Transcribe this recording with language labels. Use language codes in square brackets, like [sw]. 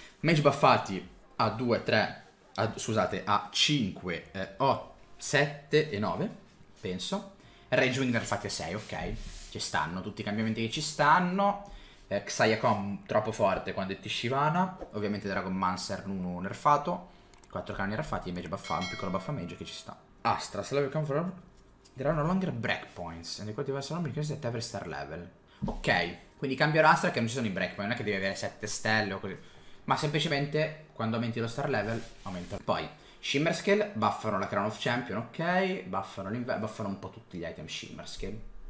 [it] Mage buffati a 2, 3, scusate, a 5, 7 e 9, penso. Rage Wing nerfati a 6, ok. Ci stanno tutti i cambiamenti che ci stanno. Xayah Comm troppo forte quando è Tshyvana. Ovviamente Dragonmancer 1 nerfato. 4 cani nerfati e Mage buffati, un piccolo buff a Mage che ci sta. Astra, Slave Conqueror. [en] There are no longer breakpoints. And the quality of Astra non increase at every star level. [it] Ok, quindi cambio Astra che non ci sono i breakpoint, non è che devi avere 7 stelle o così, ma semplicemente quando aumenti lo star level aumenta. Poi Shimmerscale, buffano la Crown of Champion, ok, buffano l'inverno, buffano un po' tutti gli item Shimmerscale.